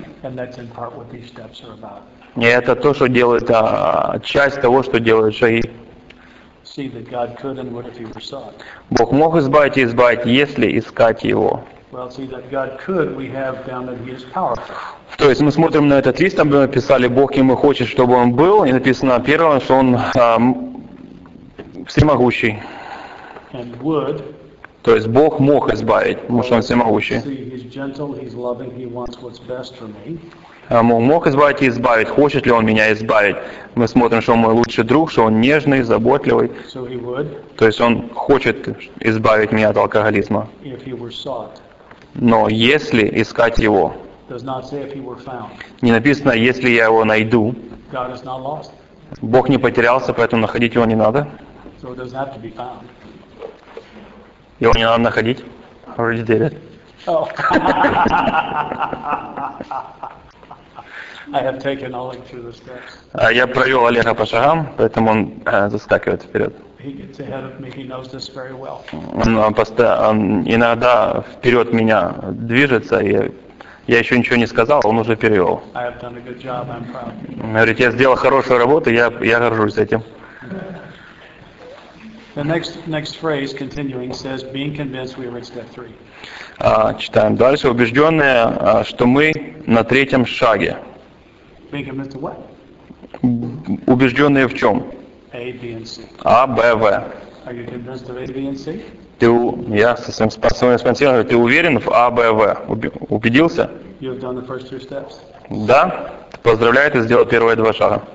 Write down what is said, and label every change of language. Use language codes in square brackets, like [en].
[en] And that's in part what these steps are about. [ru] И это то, что делает часть того, что делают шаги. [en] See that God could and would if he were sought. [ru] Бог мог избавить и избавить, если искать его. [en] Well, see that God could, we have down that he is powerful. [ru] То есть мы смотрим на этот лист, там мы написали, Бог и мы хочет, чтобы он был, и написано первое, что он всемогущий. [en] And would. [ru] То есть Бог мог избавить, потому что он всемогущий. [en] See, he's gentle, he's loving, he wants what's best for me. [ru] Мог избавить и избавить. Хочет ли он меня избавить? Мы смотрим, что он мой лучший друг, что он нежный, заботливый. [en] So he would. [ru] То есть он хочет избавить меня от алкоголизма. [en] If he were sought. [ru] Но если искать его, [en] does not say if he were found. [ru] Не написано, если я его найду. [en] God is not lost. [ru] Бог не потерялся, поэтому находить его не надо. [en] So it doesn't have to be found. [ru] Его не надо находить. [en] Already did it. I have taken Oleg through the steps. [ru] Я провел Олега по шагам, поэтому он заскакивает вперед. [en] He gets ahead of me, he knows this very well. [ru] Он иногда вперед меня движется, и я еще ничего не сказал, он уже перевел. [en] I have done a good job, I'm proud. [ru] Говорит, я сделал хорошую работу, я горжусь этим. [en] The next phrase, continuing, says, being convinced we are at step three. [ru] Читаем дальше. Убежденные, что мы на третьем шаге. [en] Being convinced of what? [ru] Убежденные в чем? [en] A, B, and C. [ru] А, Б, В. [en] Are you convinced of A, B, and C? [ru] Я со своим спонсором говорю, ты уверен в А, Б, В? Убедился? [en] You have done the first two steps. [ru] Да. Поздравляю, ты сделал первые два шага.